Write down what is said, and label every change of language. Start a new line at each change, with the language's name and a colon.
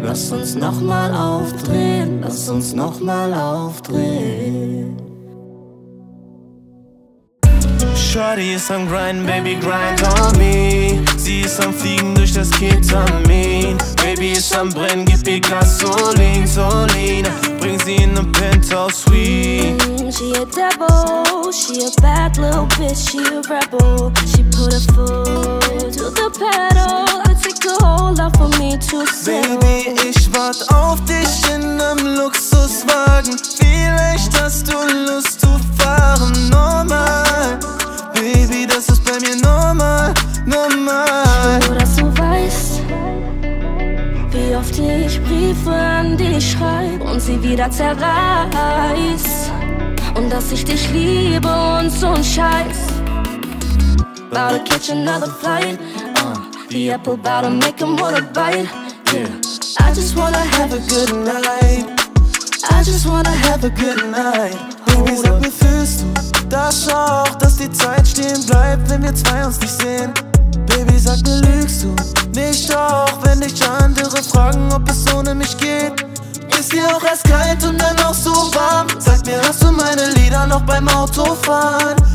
German: Lass uns nochmal aufdrehen, lass uns nochmal aufdrehen. Shawty ist am Grinden, Baby,
English: grind on me.
German: Sie ist am Fliegen durch das Ketamin. Baby ist am Brennen, gib ihr Gasolin, Solina. Bring sie in den Penthouse Suite.
English: She a devil, she a bad little bitch, she a rebel. She put her foot to the pedal. I take a whole lot for me to settle.
German: Baby, ich wart auf dich in nem Luxuswagen. Vielleicht hast du Lust zu fahren, normal. Baby, das ist bei mir normal, normal. Ich will nur, dass du weißt, wie oft ich Briefe an dich schreib und sie wieder zerreiß. Und dass ich dich liebe und so ein Scheiß.
English: About to catch another flight, the apple about to make him wanna bite. Yeah. I just wanna have a good night. I just wanna have a good night.
German: Baby, sag mir, fühlst du das auch, dass die Zeit stehen bleibt, wenn wir zwei uns nicht sehen? Baby, sag mir, lügst du nicht auch, wenn dich andere fragen, ob es ohne mich geht? Ist dir auch erst kalt und dann auch so warm? Sag mir, hast du meine Lieder noch beim Autofahren?